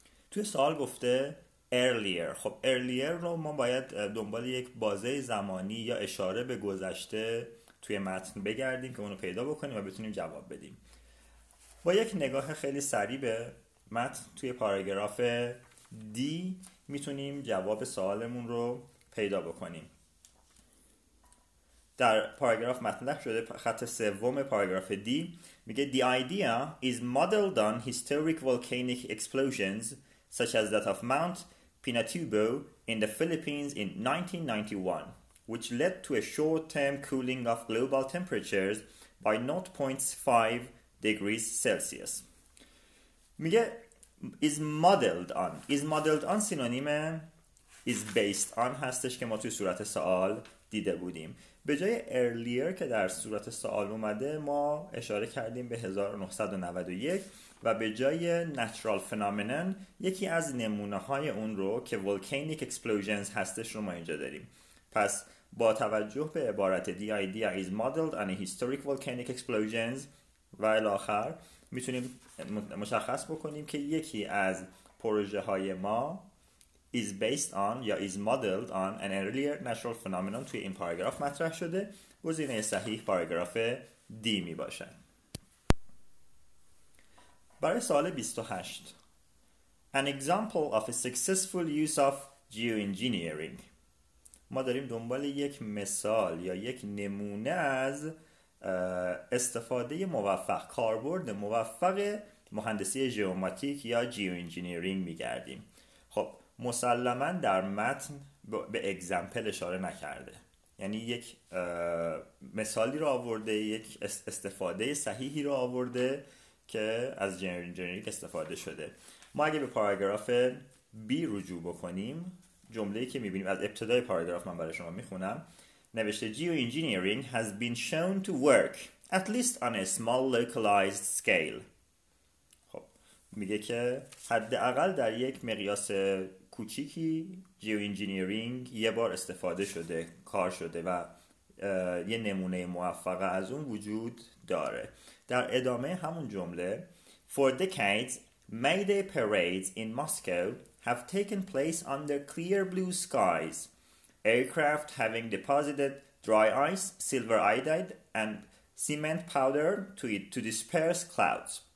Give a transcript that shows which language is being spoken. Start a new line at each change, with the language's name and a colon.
Persian: توی سوال گفته earlier. خب earlier رو ما باید دنبال یک بازه زمانی یا اشاره به گذشته توی متن بگردیم که اونو پیدا بکنیم و بتونیم جواب بدیم. با یک نگاه خیلی سریع به متن توی پاراگراف دی میتونیم جواب سوالمون رو پیدا بکنیم. در پاراگراف مطرح شده خط سوم پاراگراف دی میگه
English: The idea is modeled on historic volcanic explosions such as that of Mount Pinatubo in the Philippines in 1991 which led to a short-term cooling of global temperatures by 0.5 degrees Celsius.
Persian: میگه
English: is modeled on
Persian: سینونیم
English: is based on
Persian: هستش که ما توی صورت سوال دیده بودیم. به جای earlier که در صورت سوال اومده ما اشاره کردیم به 1991 و به جای natural phenomenon یکی از نمونه های اون رو که volcanic explosions هستش رو ما اینجا داریم. پس با توجه به عبارت
English: the idea is modeled on a historic volcanic explosions
Persian: و الاخر میتونیم مشخص بکنیم که یکی از پروژه های ما
English: is based on
Persian: یا
English: is modeled on an earlier natural phenomenon
Persian: توی این پاراگراف مطرح شده. گزینه صحیح پاراگراف دی میباشه. برای سوال
English: 28 An example of a successful use of geoengineering.
Persian: ما داریم دنبال یک مثال یا یک نمونه از استفاده موفق کاربرد موفق مهندسی جیوماتیک یا جیوانجینیرینگ میگردیم. خب مسلماً در متن به اگزمپل اشاره نکرده، یعنی یک مثالی رو آورده، یک استفاده صحیحی رو آورده که از جیوانجینیرینگ استفاده شده. ما اگه به پاراگراف بی رجوع بکنیم جمله‌ای که میبینیم از ابتدای پاراگراف من برای شما میخونم نوشته
English: geoengineering has been shown to work at least on a small localized scale.
Persian: خب میگه که حداقل در یک مقیاس کوچیکی جیو انجینیرینگ یه بار استفاده شده، کار شده و یه نمونه موفق از اون وجود داره. در ادامه همون جمله،
English: For decades, May Day parades in Moscow have taken place under clear blue skies, aircraft having deposited dry ice, silver iodide and cement powder to disperse clouds.